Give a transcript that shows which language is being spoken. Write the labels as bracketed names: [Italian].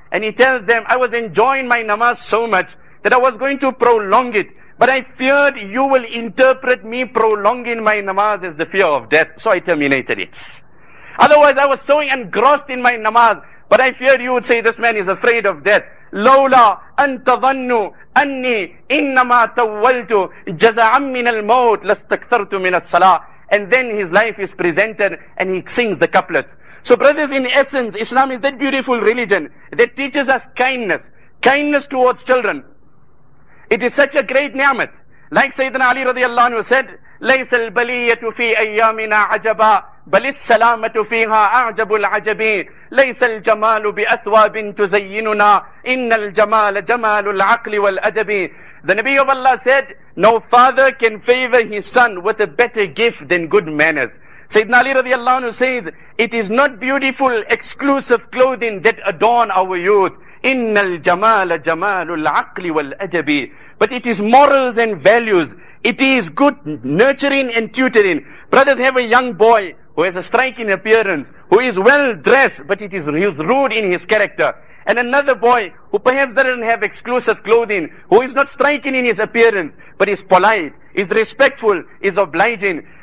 [English] And he tells them, I was enjoying my namaz so much that I was going to prolong it. But I feared you will interpret me prolonging my namaz as the fear of death. So I terminated it. Otherwise, I was so engrossed in my namaz. But I feared you would say, this man is afraid of death. [Arabic] لولا أن تظنوا أني إنما تولت جزعا من الموت لستكثرت من الصلاة. [English] And then his life is presented and he sings the couplets. So brothers, in essence, Islam is that beautiful religion that teaches us kindness. Kindness towards children. It is such a great ni'mat. Like Sayyidina Ali radiallahu anhu said, [Arabic] ليس البلية في أيامنا عجبا بل السلامة فيها أعجب العجبين ليس الجمال بأثواب تزيننا إن الجمال جمال العقل والأدب. [English] The Nabi of Allah said, no father can favor his son with a better gift than good manners. Sayyidina Ali radiallahu anhu says, it is not beautiful exclusive clothing that adorn our youth. [Arabic] إن الجمال جمال العقل والأدب. [English] But it is morals and values. It is good nurturing and tutoring. Brothers, have a young boy who has a striking appearance, who is well dressed, but it is he's rude in his character. And another boy who perhaps doesn't have exclusive clothing, who is not striking in his appearance, but is polite, is respectful, is obliging.